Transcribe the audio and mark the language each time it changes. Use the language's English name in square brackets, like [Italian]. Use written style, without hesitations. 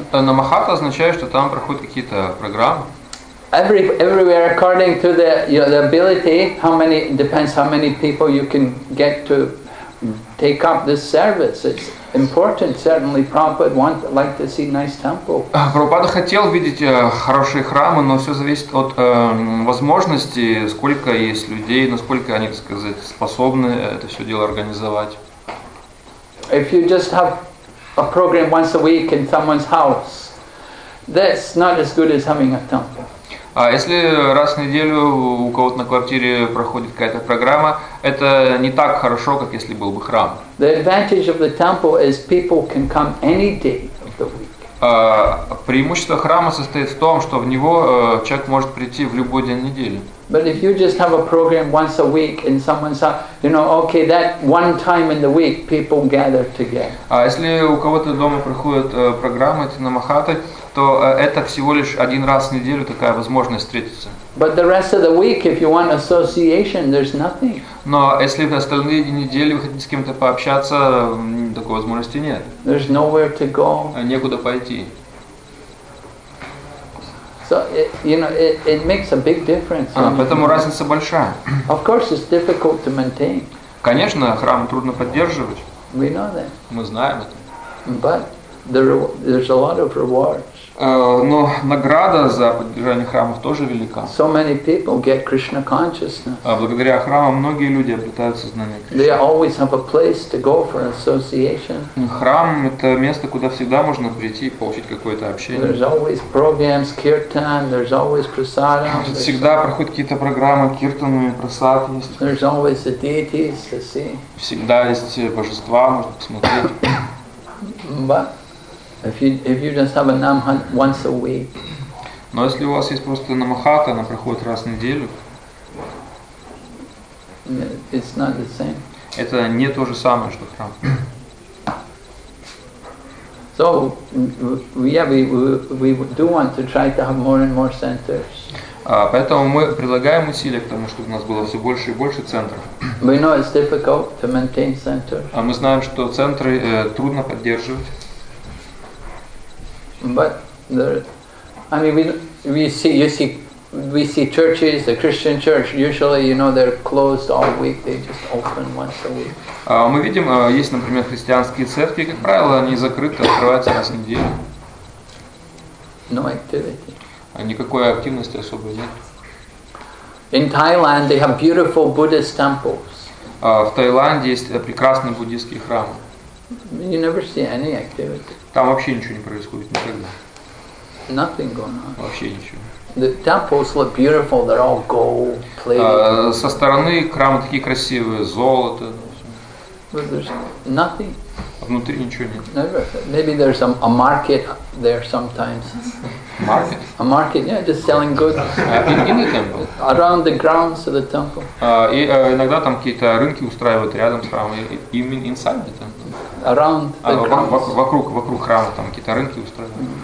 [Russian] Namahata означает, что там проходят какие-то программы. [English] Everywhere according to the, you know, the ability, how many depends how many people you can get to take up this service. It's important, certainly. Prabhupada want like to see nice temple. [Russian] Прабхупада хотел видеть хорошие храмы, но все зависит от возможности, сколько есть людей, насколько они, так сказать, способны это все дело организовать. [English] If you just have a program once a week in someone's house, that's not as good as having a temple. [Russian] А если раз в неделю у кого-то на квартире проходит какая-то программа, это не так хорошо, как если был бы храм. [English] The advantage of the temple is people can come any day of the week. [Russian] Преимущество храма состоит в том, что в него человек может прийти в любой день недели. [English] But if you just have a program once a week in someone's house, you know, okay, that one time in the week people gather together. [Russian] А если у кого-то дома проходят программы эти намахаты, то это всего лишь один раз в неделю такая возможность встретиться. [English] But the rest of the week, if you want association, there's nothing. [Russian] Но если в остальные дни недели вы хотите с кем-то пообщаться, такой возможности нет. [English] There's nowhere to go. [Russian] Некуда пойти. [English] So it makes a big difference. [Russian] Поэтому разница большая. [English] Of course, it's difficult to maintain. [Russian] Конечно, храм трудно поддерживать. [English] We know that. [Russian] Мы знаем это. [English] But there's a lot of rewards. [Russian] Но награда за поддержание храмов тоже велика. [English] So many people get Krishna consciousness. [Russian] Благодаря храмам многие люди обретают сознание Кришны. [English] They always have a place to go for association. [Russian] Храм — это место, куда всегда можно прийти и получить какое-то общение. [English] There's always programs, kirtan, there's always prasadam. [Russian] Всегда проходят какие-то программы, киртаны, прасад есть. [English] There's always the deities to see. [Russian] Всегда есть божества, можно посмотреть. [English] If you just have a namahat once a week. [Russian] Но если у вас есть просто намахата, она проходит раз в неделю. [English] It's not the same. [Russian] Это не то же самое, что храм. [English] So, yeah, we do want to try to have more and more centers. [Russian] Поэтому мы прилагаем усилия к тому, чтобы у нас было все больше и больше центров. [English] We know it's difficult to maintain centers. [Russian] А мы знаем, что центры трудно поддерживать. [English] But there, I mean, we see churches, the Christian church, usually, you know, they're closed all week. They just open once a week. [Russian] Мы видим, есть, например, христианские церкви, как правило, они закрыты, открываются раз в неделю. [English] No activity. [Russian] Никакой активности особо нет. [English] In Thailand they have beautiful Buddhist temples. [Russian] В Таиланде есть прекрасные буддийские храмы. [English] You never see any activity. [Russian] Там вообще ничего не происходит никогда. [English] Nothing going on. [Russian] Вообще ничего. [English] The temples look beautiful. They're all gold plated. [Russian] Со стороны храмы такие красивые, золото. [English] But there's nothing. [Russian] Внутри ничего нет. [English] Never. Maybe there's a market there sometimes. Market? A market, yeah, just selling goods. In the temple. Around the grounds of the temple. [Russian] Иногда там какие-то рынки устраивают рядом с храмом. [English] Even inside the temple. Around the grounds. [Russian] Вокруг храма там какие-то рынки устраивают.